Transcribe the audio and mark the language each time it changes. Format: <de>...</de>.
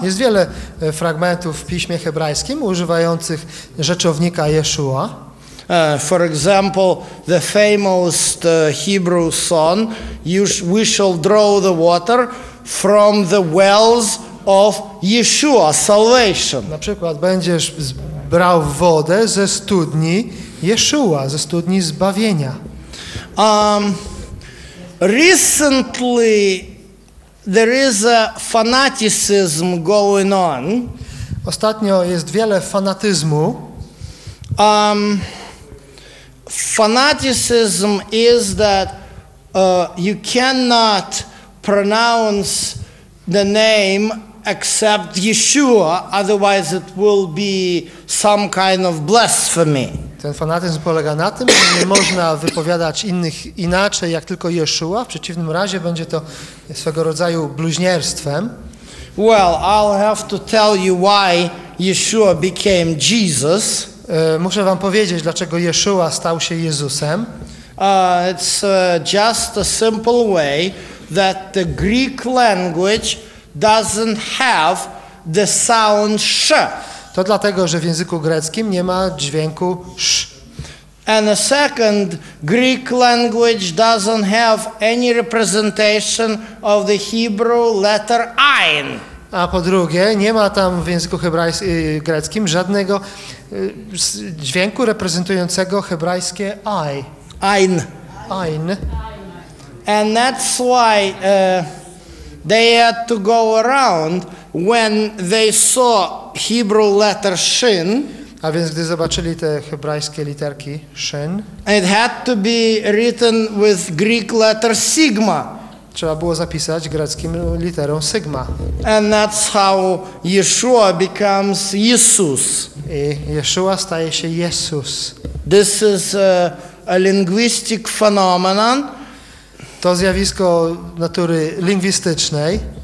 <pl>Jest wiele fragmentów w piśmie hebrajskim używających rzeczownika Yeshua.</pl> <en>For example, the famous Hebrew song, we shall draw the water from the wells of Yeshua, salvation.</en> <pl>Na przykład będziesz brał wodę ze studni Yeshua, ze studni zbawienia.</pl> <en>Recently there is a fanaticism going on.</en> <pl>Ostatnio jest wiele fanatyzmu.</pl> <en>Fanaticism is that you cannot pronounce the name except Yeshua, otherwise it will be some kind of blasphemy.</en> <pl>Ten fanatyzm polega na tym, że nie można wypowiadać innych inaczej jak tylko Yeshua, w przeciwnym razie będzie to swego rodzaju bluźnierstwem.</pl> <en>Well, I'll have to tell you why Yeshua became Jesus.</en> <pl>Muszę wam powiedzieć, dlaczego Yeshua stał się Jezusem.</pl> <en>It's just a simple way that the Greek language doesn't have the sound sh.</en> <pl>To dlatego, że w języku greckim nie ma dźwięku sh.</pl> <en>And a second, Greek language doesn't have any representation of the Hebrew letter ayin.</en> <pl>A po drugie, nie ma tam w języku greckim żadnego dźwięku reprezentującego hebrajskie ay. Ayin. Ayin.</pl> <en>And that's why they had to go around when they saw Hebrew letter shin.</en> <pl>A więc gdy zobaczyli te hebrajskie literki shin,</pl> <en>it had to be written with Greek letter sigma.</en> <pl>Trzeba było zapisać greckim literą sigma.</pl> <en>And that's how Yeshua becomes Jesus.</en> <pl>I Yeshua staje się Jezus.</pl> <en>This is a linguistic phenomenon.</en> <pl>To zjawisko natury lingwistycznej.</pl>